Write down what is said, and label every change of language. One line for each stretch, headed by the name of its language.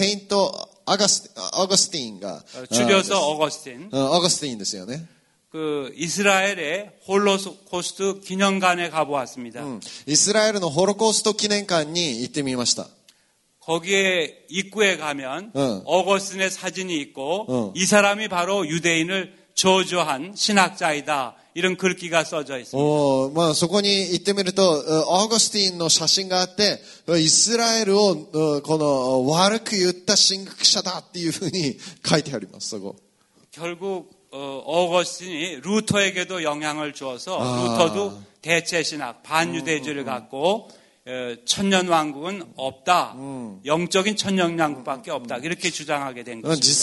Japanese: その代表者が有名なセイントアガスティンが
Korean: 줄여서 어거스틴.
Japanese: 어거스틴ですよね。
Korean: 그 이스라엘의 홀로코스트 기념관에 가 보았습니다. 이스라엘의 홀로코스트 기념관에
Japanese: 行ってみました。
Korean: 거기에 입구에 가면 어거스틴의 사진이 있고 이 사람이 바로 유대인을 저주한 신학자이다. 이런 글귀가 써져 있습니다.
Japanese: まあそこに行ってみるとオーゴスティンの写真があって、イスラエルをこの悪く言った神学者だっていうふうに書いてあります。そこ。
Korean: 결국 오거스틴이 루터에게도 영향을 주어서 루터도 대체 신학 반유대주의를 갖고 천년 왕국은 없다. 영적인 천년 왕국밖에 없다. 이렇게 주장하게 된 거죠.